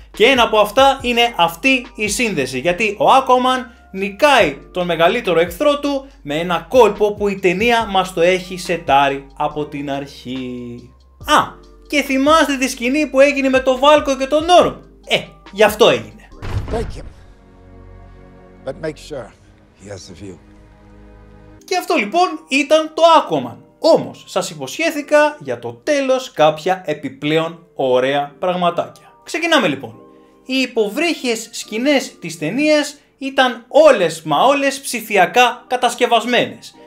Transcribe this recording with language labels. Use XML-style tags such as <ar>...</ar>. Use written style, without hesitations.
<el>Και ένα από αυτά είναι αυτή η σύνδεση, γιατί ο Aquaman νικάει τον μεγαλύτερο εχθρό του με ένα κόλπο που η ταινία μας το έχει σετάρει από την αρχή. Α, και θυμάστε τη σκηνή που έγινε με τον Βάλκο και τον Νόρμ? Ε, γι' αυτό έγινε.</el> <en>Take him. But make sure he has the view.</en> <el>Και αυτό λοιπόν ήταν το Aquaman. Όμως, σας υποσχέθηκα για το τέλος κάποια επιπλέον ωραία πραγματάκια. Ξεκινάμε λοιπόν. Οι υποβρύχιες σκηνές της ταινίας ήταν όλες μα όλες ψηφιακά κατασκευασμένες.</el>